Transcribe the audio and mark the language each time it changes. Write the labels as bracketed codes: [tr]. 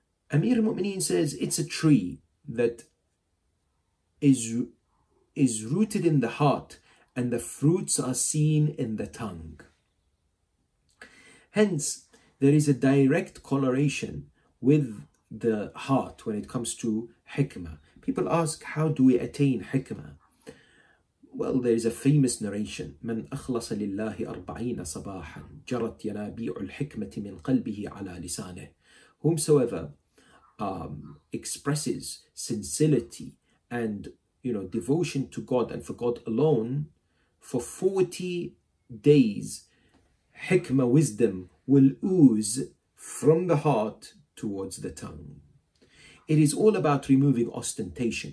[en] Amir al-Mu'mineen says it's a tree that is rooted in the heart and the fruits are seen in the tongue. Hence, there is a direct correlation with the heart when it comes to hikmah. People ask, how do we attain hikmah? Well, there is a famous narration. [ar] من أخلص لله أربعين صباحا جرت ينابيع الحكمة من قلبه على لسانه. [en] Whomsoever expresses sincerity and, you know, devotion to God and for God alone, for 40 days, hikmah, wisdom, will ooze from the heart towards the tongue. It is all about removing ostentation.